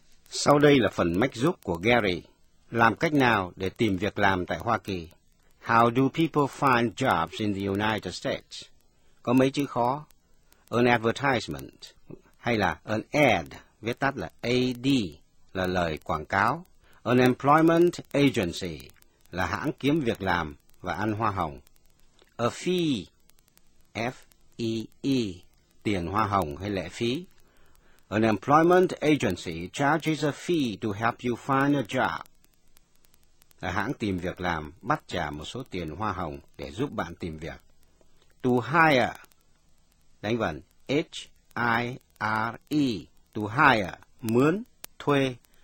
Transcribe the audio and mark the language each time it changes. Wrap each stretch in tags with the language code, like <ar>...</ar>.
<vi>Sau đây là phần mách giúp của Gary. Làm cách nào để tìm việc làm tại Hoa Kỳ?</vi> <en>How do people find jobs in the United States?</en> <vi>Có mấy chữ khó? An advertisement hay là an ad, viết tắt là AD, là lời quảng cáo. An employment agency là hãng kiếm việc làm và ăn hoa hồng. A fee, F-E-E, tiền hoa hồng hay lệ phí.</vi> <en>An employment agency charges a fee to help you find a job.</en> <vi>Là hãng tìm việc làm bắt trả một số tiền hoa hồng để giúp bạn tìm việc. To hire, đánh vần H-I-R-E, to hire, mướn, thuê.</vi>